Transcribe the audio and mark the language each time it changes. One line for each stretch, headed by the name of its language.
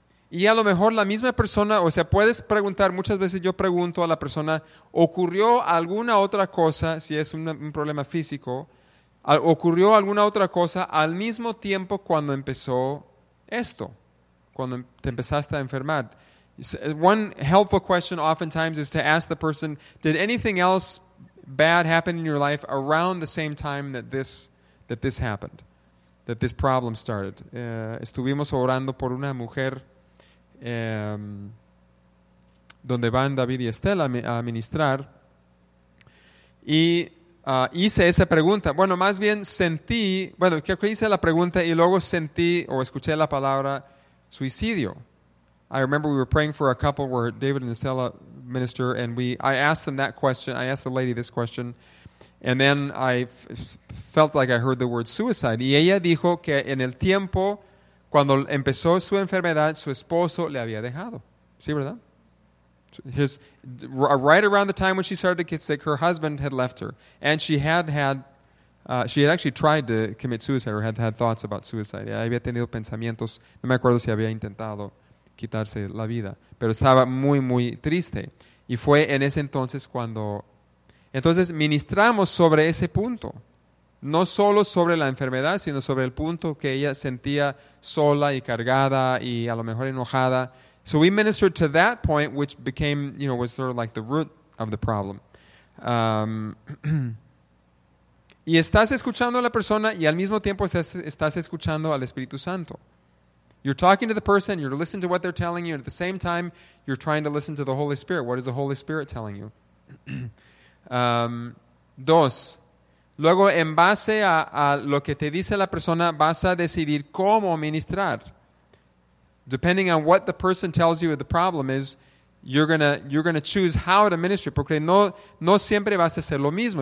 Spanish: Y a lo mejor la misma persona, o sea, puedes preguntar, muchas veces yo pregunto a la persona, ¿ocurrió alguna otra cosa, si es un problema físico, ocurrió alguna otra cosa al mismo tiempo cuando empezó esto, cuando te empezaste a enfermar?
English: One helpful question oftentimes is to ask the person, ¿did anything else bad happen in your life around the same time that this happened, that this problem started?
Spanish: Estuvimos orando por una mujer donde van David y Estela a ministrar y hice esa pregunta. Bueno, más bien sentí, bueno, que hice la pregunta y luego sentí o escuché la palabra suicidio.
English: I remember we were praying for a couple where David and Estela minister, and I asked them that question. I asked the lady this question, and then I felt like I heard the word suicide.
Spanish: Y ella dijo que en el tiempo cuando empezó su enfermedad, su esposo le había dejado. ¿Sí, verdad?
English: Right around the time when she started to get sick, her husband had left her. And she had had, she had actually tried to commit suicide or had had thoughts about suicide.
Spanish: Ya había tenido pensamientos, no me acuerdo si había intentado quitarse la vida. Pero estaba muy, muy triste. Y fue en ese entonces cuando... Entonces ministramos sobre ese punto. No solo sobre la enfermedad, sino sobre el punto que ella sentía sola y cargada y a lo mejor enojada.
English: So we ministered to that point, which became, you know, was sort of like the root of the problem.
Spanish: y estás escuchando a la persona y al mismo tiempo estás escuchando al Espíritu Santo.
English: You're talking to the person, you're listening to what they're telling you, and at the same time, you're trying to listen to the Holy Spirit. What is the Holy Spirit telling you? dos.
Spanish: Luego, en base a lo que te dice la persona, vas a decidir cómo ministrar.
English: Depending on what the person tells you the problem is, you're gonna choose how to minister.
Spanish: Porque no siempre vas a hacer lo mismo.